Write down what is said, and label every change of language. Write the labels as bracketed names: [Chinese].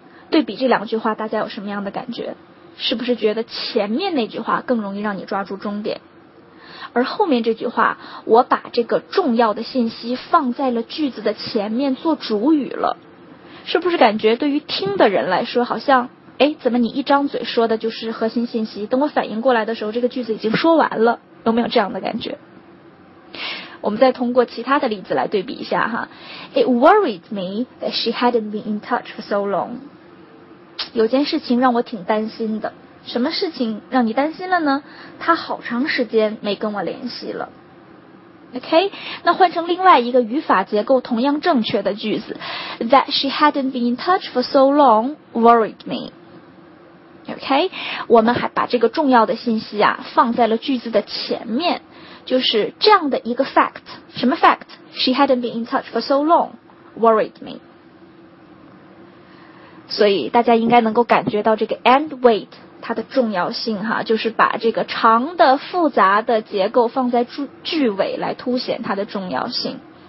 [Chinese] 对比这两句话，大家有什么样的感觉？是不是觉得前面那句话更容易让你抓住重点，而后面这句话我把这个重要的信息放在了句子的前面做主语了，是不是感觉对于听的人来说好像怎么你一张嘴说的就是核心信息，等我反应过来的时候这个句子已经说完了，有没有这样的感觉？我们再通过其他的例子来对比一下哈。 [English] It worried me that she hadn't been in touch for so long。 [Chinese] 有件事情让我挺担心的，什么事情让你担心了呢？他好长时间没跟我联系了。 [English] OK， [Chinese] 那换成另外一个语法结构同样正确的句子， [English] That she hadn't been in touch for so long worried me。 [Chinese] OK， 我们还把这个重要的信息啊放在了句子的前面，就是这样的一个 fact， 什么 fact？ [English] She hadn't been in touch for so long worried me。 [Chinese] 所以大家应该能够感觉到这个 and wait 它的重要性哈，就是把这个长的复杂的结构放在句尾来凸显它的重要性。